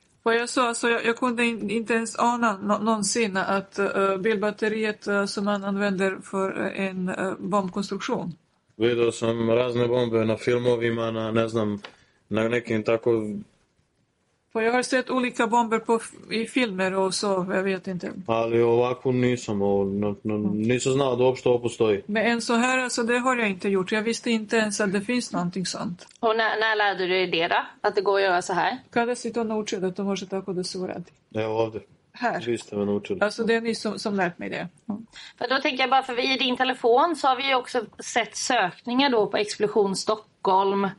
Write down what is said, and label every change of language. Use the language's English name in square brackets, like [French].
[Swedish] Pa jag sa så jag kunde inte ens ana någonsin att bilbatteriet som man använder för en bombkonstruktion. [Serbian] Vidio sam razne bombe na filmovima, na ne znam na nekim tako. [Swedish] Pa jag har sett olika bomber på i filmer och så, jag vet inte. [Serbian] Ali ovako nisam, nisam znao da uopšte ovo postoji. [Swedish] Men en så här, alltså det har jag inte gjort. Jag visste inte ens att det finns någonting sånt. Och när lärde du dig det då? Att det går att göra så här? [Serbian] Kada si to naučio da to može tako da se uradi? Evo ovde. [Swedish] Här. [Serbian] Vi ste me naučili. [Swedish] Alltså det är ni som lärt mig det. Mm. För då tänker jag bara, för i din telefon så har vi ju också sett sökningar då på explosion Stockholm.